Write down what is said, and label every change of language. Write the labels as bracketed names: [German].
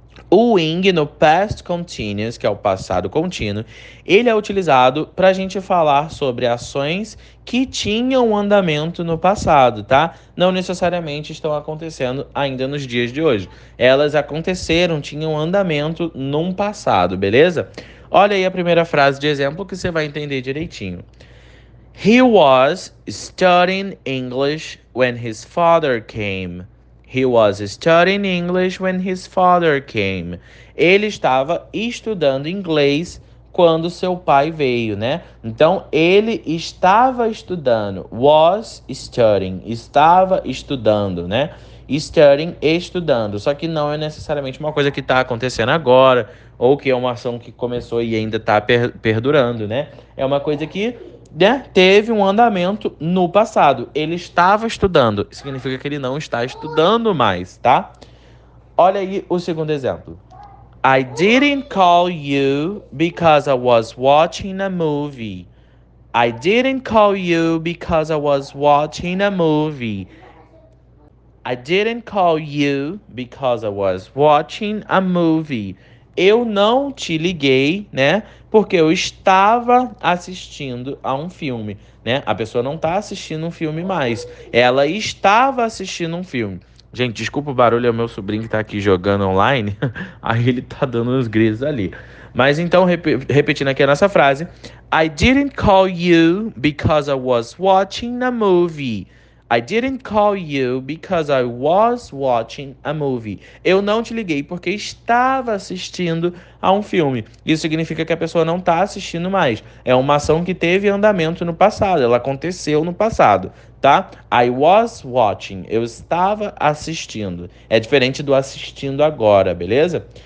[Portuguese] O ing no past continuous, que é o passado contínuo, ele é utilizado para a gente falar sobre ações que tinham andamento no passado, tá? Não necessariamente estão acontecendo ainda nos dias de hoje. Elas aconteceram, tinham andamento num passado, beleza? Olha aí a primeira frase de exemplo que você vai entender direitinho. [English] He was studying English when his father came. He was studying English when his father came. [Portuguese] Ele estava estudando inglês quando seu pai veio, né? Então, ele estava estudando. Was studying. Estava estudando, né? Studying, estudando. Só que não é necessariamente uma coisa que está acontecendo agora ou que é uma ação que começou e ainda está perdurando, né? É uma coisa que, né, teve um andamento no passado. Ele estava estudando. Significa que ele não está estudando mais, tá? Olha aí o segundo exemplo. [English] I didn't call you because I was watching a movie. I didn't call you because I was watching a movie. I didn't call you because I was watching a movie. [Portuguese] Eu não te liguei, né? Porque eu estava assistindo a um filme, né? A pessoa não tá assistindo um filme mais. Ela estava assistindo um filme. Gente, desculpa o barulho, é o meu sobrinho que tá aqui jogando online. Aí ele tá dando uns gritos ali. Mas então, repetindo aqui a nossa frase. [English] I didn't call you because I was watching a movie. I didn't call you because I was watching a movie. [Portuguese] Eu não te liguei porque estava assistindo a um filme. Isso significa que a pessoa não está assistindo mais. É uma ação que teve andamento no passado. Ela aconteceu no passado, tá? I was watching. Eu estava assistindo. É diferente do assistindo agora, beleza?